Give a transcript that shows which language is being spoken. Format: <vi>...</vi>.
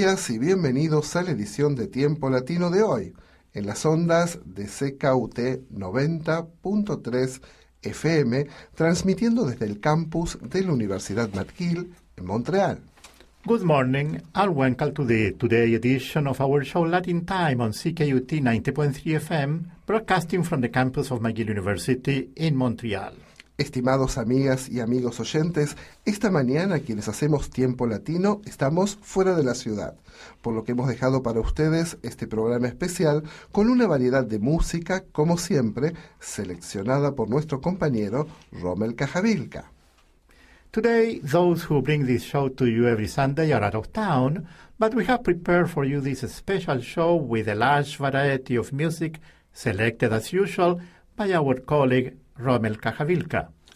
<es>Y bienvenidos a la edición de Tiempo Latino de hoy, en las ondas de CKUT 90.3 FM, transmitiendo desde el campus de la Universidad McGill en Montreal.</es> <en>Good morning and welcome to the today edition of our show Latin Time on CKUT 90.3 FM, broadcasting from the campus of McGill University in Montreal.</en> <es>Estimados amigas y amigos oyentes, esta mañana quienes hacemos Tiempo Latino estamos fuera de la ciudad, por lo que hemos dejado para ustedes este programa especial con una variedad de música, como siempre, seleccionada por nuestro compañero Rommel Cajavilca.</es> <en>Today, those who bring this show to you every Sunday are out of town, but we have prepared for you this special show with a large variety of music selected as usual by our colleague Rommel Cajavilca.</en>